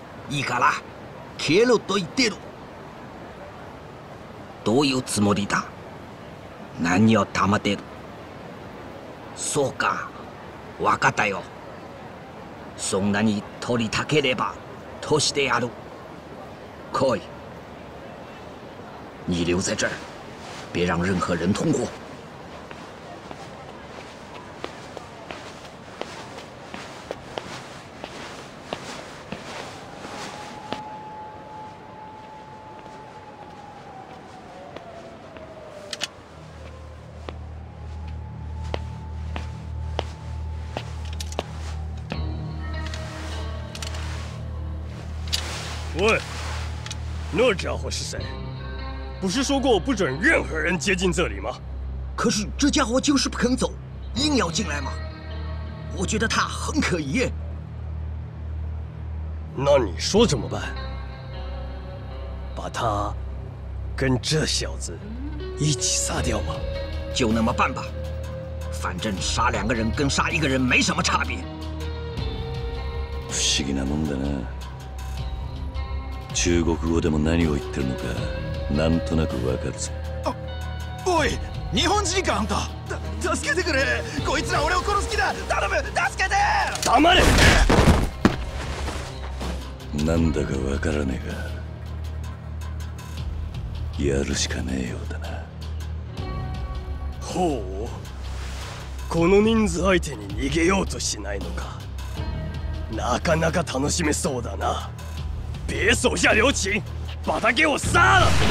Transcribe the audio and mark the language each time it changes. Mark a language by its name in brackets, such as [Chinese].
[Japanese] いいから消えろと言ってる。どういうつもりだ。何を溜めてる。そうか、わかったよ。そんなに取りたければ、通してやる。来い。 [Chinese] 你留在这儿，别让任何人通过。喂，那家伙是谁？不是说过不准任何人接近这里吗？可是这家伙就是不肯走，硬要进来嘛。我觉得他很可疑。那你说怎么办？把他跟这小子一起杀掉吧。就那么办吧，反正杀两个人跟杀一个人没什么差别。 [Japanese] 不思議なもんだな。中国語でも何を言ってるのか、なんとなくわかるぞ。おい、日本人かあんた。助けてくれ。こいつら俺を殺す気だ。頼む、助けて。黙れ。なんだかわからねえが、やるしかねえようだな。ほう、この人数相手に逃げようとしないのか。なかなか楽しめそうだな。 [Chinese] 别手下留情，把他给我杀了！